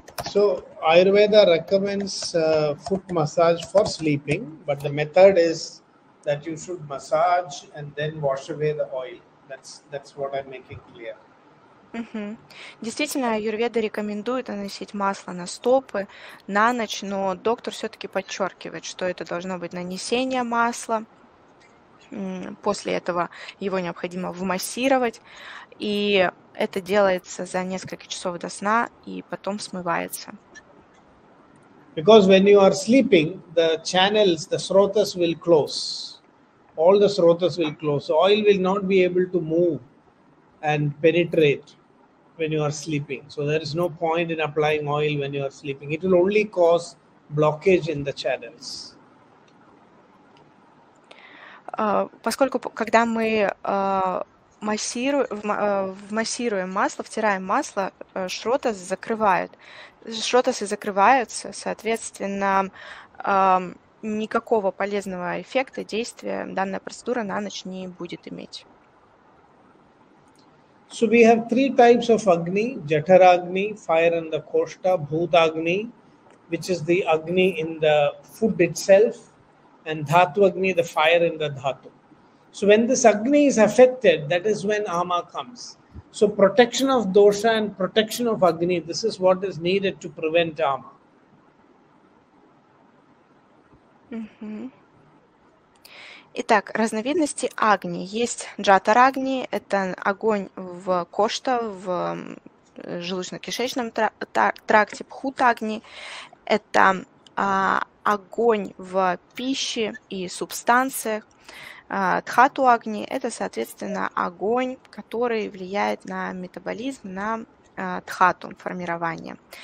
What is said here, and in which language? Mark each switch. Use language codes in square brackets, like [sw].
[en] So Ayurveda recommends foot massage for sleeping, but the method is that you should massage and then wash away the oil. That's what I'm making clear. [ru] Действительно, аюрведа рекомендует наносить масло на стопы на ночь, но доктор все-таки подчеркивает, что это должно быть нанесение масла. После этого его необходимо вмассировать, и это делается за несколько часов до сна и потом смывается. [en] Because when you are sleeping, the channels, the srotas will close. All the srotas will close. Oil will not be able to move and penetrate when you are sleeping. So there is no point in applying oil when you are sleeping. It will only cause blockage in the channels. [ru] Поскольку, когда мы массируем масло, втираем масло, шротасы закрывают. Шротасы закрываются, соответственно, никакого полезного эффекта, действия данная процедура на ночь не будет иметь. [en] So we have three types of Agni, Jataragni, fire in the Koshta, Bhutagni, which is the Agni in the food itself, and Dhatu Agni, the fire in the Dhatu. So when this Agni is affected, that is when Ama comes. So protection of Dosha and protection of Agni, this is what is needed to prevent Ama. [ru] Итак, разновидности агни. Есть джатарагни, это огонь в кошта, в желудочно-кишечном тракте, бхутагни, это огонь в пище и субстанциях, дхатуагни, это, соответственно, огонь, который влияет на метаболизм, на дхату, формирование.